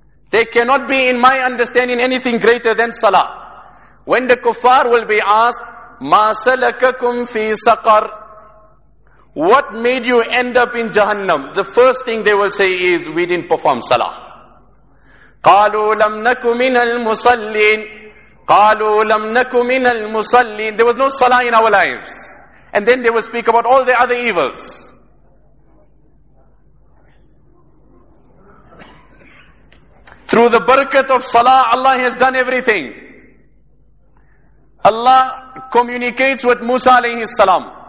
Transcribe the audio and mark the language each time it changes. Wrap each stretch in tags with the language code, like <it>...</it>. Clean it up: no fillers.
<en>They cannot be, in my understanding, anything greater than Salah. When the kuffar will be asked,</en> <ar>مَا سَلَكَكُمْ فِي سَقَرْ</ar> <en>What made you end up in Jahannam? The first thing they will say is, we didn't perform Salah.</en> <ar>قَالُوا لَمْ نَكُ مِنَ الْمُصَلِّينَ قَالُوا لَمْ نَكُ مِنَ الْمُصَلِّينَ</ar> <en>There was no Salah in our lives. And then they will speak about all the other evils. Through the barakat of salah, Allah has done everything. Allah communicates with Musa alayhi salam.</en>